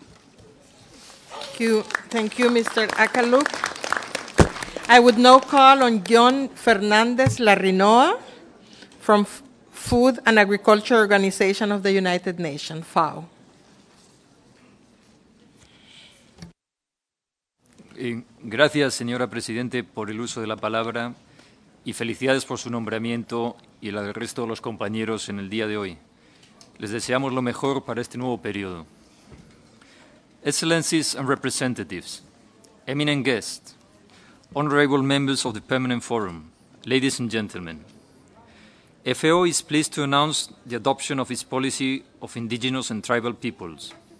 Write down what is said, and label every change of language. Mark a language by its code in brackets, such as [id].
[en] Thank you. Thank you, Mr. Akaluk. I would now call on John Fernandez Larrinoa from Food and Agriculture Organization of the United Nations, FAO. [es] Gracias, señora presidente, por el uso de la palabra y felicidades por su nombramiento y el resto de los compañeros en el día de hoy. Les deseamos lo mejor para este nuevo periodo. [en] Excellencies and representatives, eminent guests, honorable members of the Permanent Forum, ladies and gentlemen, FAO is pleased to announce the adoption of its policy of indigenous and tribal peoples.